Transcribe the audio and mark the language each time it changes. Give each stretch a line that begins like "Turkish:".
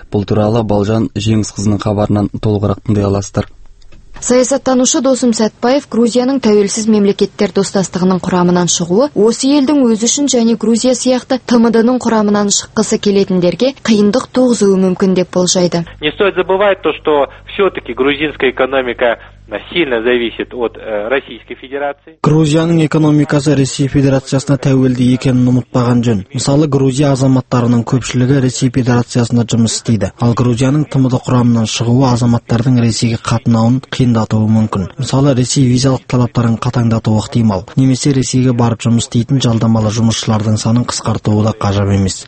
Kazakh: Бұл туралы Балжан Жеңісқызының хабарынан толығырақ тыңдай аласыздар. Саясаттанушы Досым Сәтбаев Грузияның тәуелсіз мемлекеттер достастығының құрамынан шығуы осы елдің өзі үшін және Грузия сияқты ТМД-ның құрамынан шыққысы келетіндерге қиындық туғызуы мүмкін деп болжайды.
Russian: Не стоит забывать то, что всё-таки грузинская экономика сильно зависит от Российской Федерации.
Kazakh: Грузияның экономикасы Ресей Федерациясына тәуелді екенін ұмытпаған жөн. Мысалы, Грузия азаматтарының көпшілігі Ресей Федерациясында жұмыс істейді. Ал Грузияның ТМД құрамынан шығуы азаматтардың Ресейге қатынауын қиындатуы мүмкін. Мысалы, Ресей визалық талаптарын қатаңдатуы ықтимал. Немесе Ресейге барып жұмыс істейтін жалдамалы жұмысшылардың санын қысқартуы да қажап емес.